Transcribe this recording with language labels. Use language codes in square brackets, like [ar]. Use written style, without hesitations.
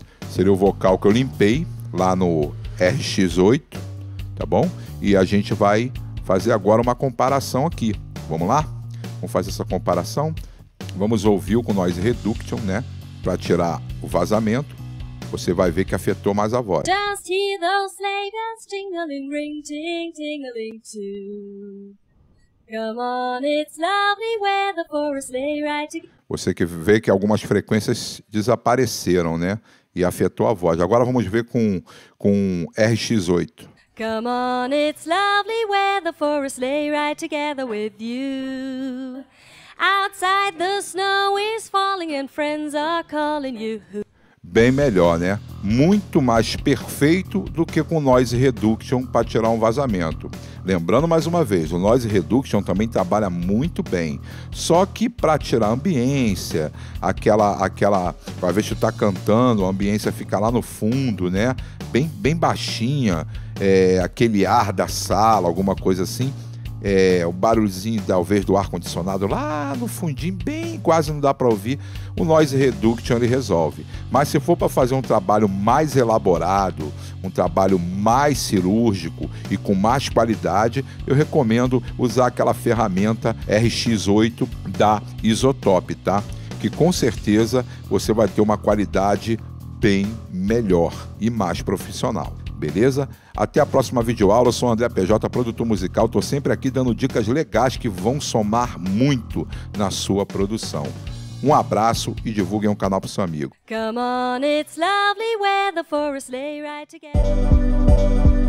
[pt] Seria o vocal que eu limpei lá no RX8, tá bom? E a gente vai fazer agora uma comparação aqui. Vamos lá? Vamos fazer essa comparação. Vamos ouvir com o Noise Reduction, né? Para tirar o vazamento. Você vai ver que afetou mais a voz. [en] Just hear those sleigh bells jingling, ring, ting, tingling too. Come on, it's lovely weather for a sleigh ride together. [pt] Você que vê que algumas frequências desapareceram, né? E afetou a voz. Agora vamos ver com RX8. [en] Come on, it's lovely weather for a sleigh ride together with you. Outside the snow is falling and friends are calling you. [pt] Bem melhor, né? Muito mais perfeito do que com Noise Reduction para tirar um vazamento. Lembrando mais uma vez, o Noise Reduction também trabalha muito bem. Só que para tirar a ambiência, aquela, para ver se está cantando, a ambiência fica lá no fundo, né? Bem baixinha, aquele ar da sala, alguma coisa assim. O barulhozinho talvez do ar-condicionado lá no fundinho, bem quase não dá para ouvir, o Noise Reduction ele resolve. Mas se for para fazer um trabalho mais elaborado, um trabalho mais cirúrgico e com mais qualidade, eu recomendo usar aquela ferramenta RX8 da Isotope, tá? Que com certeza você vai ter uma qualidade bem melhor e mais profissional. Beleza? Até a próxima videoaula. Eu sou o André PJ, produtor musical. Estou sempre aqui dando dicas legais que vão somar muito na sua produção. Um abraço e divulguem um canal para o seu amigo. [en] Come on, it's lovely weather for a sleigh ride together.